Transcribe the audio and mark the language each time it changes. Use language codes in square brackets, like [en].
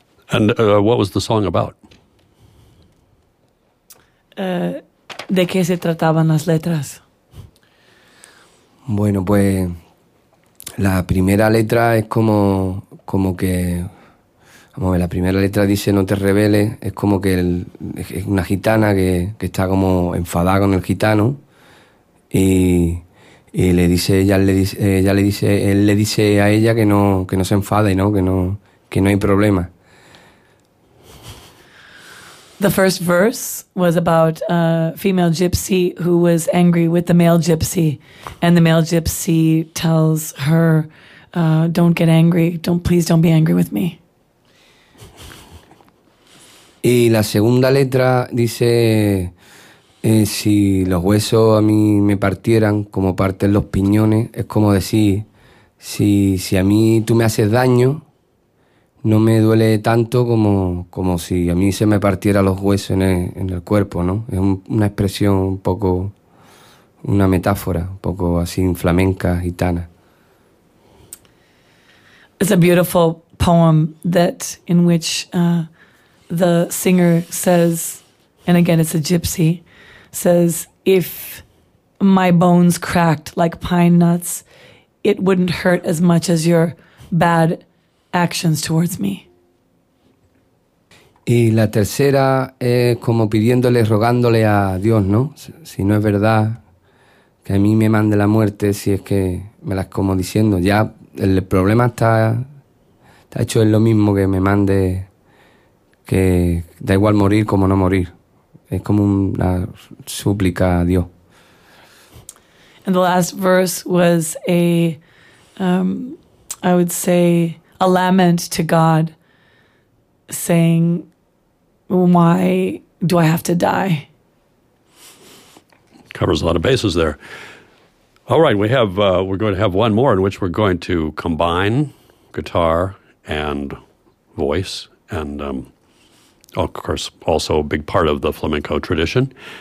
[en] And what was the song about? [es] ¿De qué se trataban las letras? Bueno, pues la primera letra es como que, vamos a ver, la primera letra dice no te rebeles, es como que es una gitana que está como enfadada con el gitano y le dice, él le dice a ella que no se enfade, ¿no? Que no hay problema. [en] The first verse was about a female gypsy who was angry with the male gypsy, and the male gypsy tells her, don't get angry, please don't be angry with me. [es] Y la segunda letra dice, si los huesos a mí me partieran como parten los piñones, es como decir, si a mí tú me haces daño, no me duele tanto como si a mí se me partiera los huesos en el cuerpo, ¿no? Es una expresión un poco, una metáfora, un poco así en flamenca, gitana. [en] It's a beautiful poem that in which the singer says and again, it's a gypsy, says, if my bones cracked like pine nuts, it wouldn't hurt as much as your bad actions towards me. [es] Y la tercera es como pidiéndole, rogándole a Dios, ¿no? Si no es verdad que a mí me mande la muerte, si es que me las como diciendo. Ya el problema está hecho en lo mismo, que me mande, que da igual morir como no morir. Es como una súplica a Dios. [en] And the last verse was a, I would say, a lament to God, saying, why do I have to die? Covers a lot of bases there. All right, we have, we're going to have one more in which we're going to combine guitar and voice and, of course, also a big part of the flamenco tradition.